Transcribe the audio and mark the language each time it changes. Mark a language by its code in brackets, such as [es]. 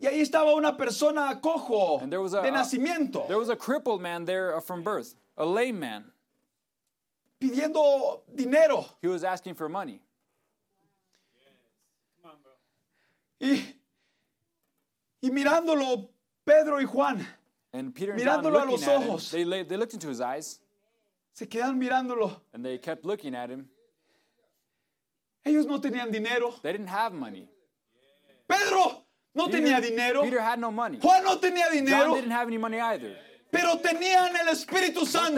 [es] Y ahí estaba una persona cojo de nacimiento. [en] There was a crippled man there from birth, a lame man. [es] Pidiendo dinero. [en] He was asking for money. Yes. Come on, bro. [es] Y mirándolo Pedro y Juan. [en] And Peter and [es] mirándolo [en] John [es] a los ojos. [en] Him, they looked into his eyes. [es] Se quedan mirándolo. [en] And they kept looking at him. [es] Ellos no tenían dinero. [en] They didn't have money. [es] Pedro no tenía dinero. [en] Peter had no money. [es] Juan no tenía dinero. [en] John didn't have any money either. [es] Pero tenían el Espíritu Santo.